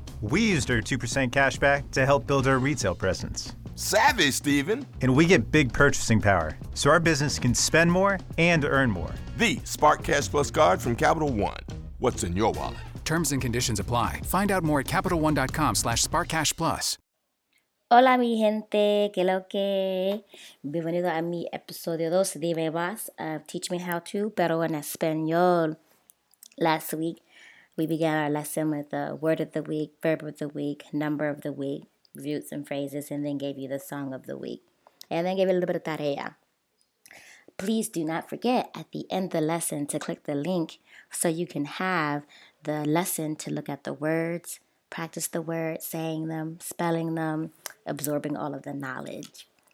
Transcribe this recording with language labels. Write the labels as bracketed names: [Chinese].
[English] We used our 2% cash back to help build our retail presence. Savvy, Steven. And we get big purchasing power, so our business can spend more and earn more. The Spark Cash Plus card from Capital One. What's in your wallet? Terms and conditions apply. Find out more at CapitalOne.com/SparkCashPlus. [Spanish] Hola mi gente, que lo que, bienvenido a mi episodio 2 de Me Vas, Teach Me How To, Pero en Español. [English] Last week, we began our lesson with the word of the week, verb of the week, number of the week, roots and phrases, and then gave you the song of the week, and then gave you a little bit of tarea. Please do not forget at the end of the lesson to click the link so you can have the lesson to look at the words, practice the words, saying them, spelling them, absorbing all of the knowledge.